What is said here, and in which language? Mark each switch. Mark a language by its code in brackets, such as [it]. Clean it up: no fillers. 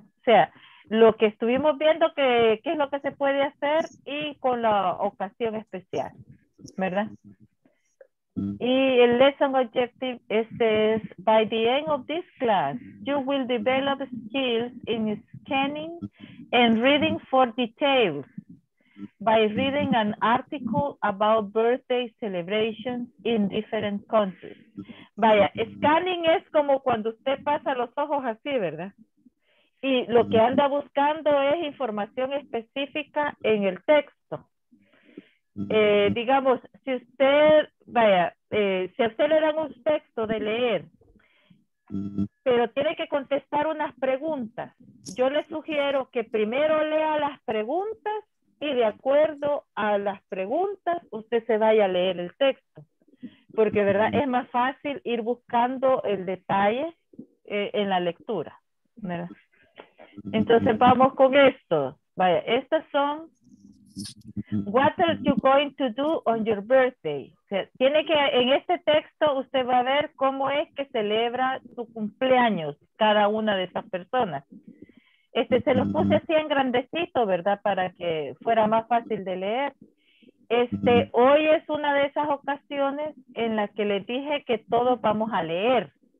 [es] O sea, lo que estuvimos viendo, qué es lo que se puede hacer y con la ocasión especial, ¿verdad? Y el [en] lesson objective is by the end of this class, you will develop skills in scanning and reading for details by reading an article about birthday celebrations in different countries. [es] Vaya, scanning es como cuando usted pasa los ojos así, ¿verdad? Y lo que anda buscando es información específica en el texto. Digamos, si usted, vaya, si a usted le dan un texto de leer, pero tiene que contestar unas preguntas, yo le sugiero que primero lea las preguntas y de acuerdo a las preguntas usted se vaya a leer el texto. Porque, ¿verdad? Es más fácil ir buscando el detalle en la lectura, ¿verdad? Entonces, vamos con esto. Vaya, estas son... [en] What are you going to do on your birthday? [es] O sea, tiene que, en este texto usted va a ver cómo es que celebra su cumpleaños cada una de esas personas. Se los puse así en grandecito, ¿verdad? Para que fuera más fácil de leer. Hoy es una de esas ocasiones en las que les dije que todos vamos a leer.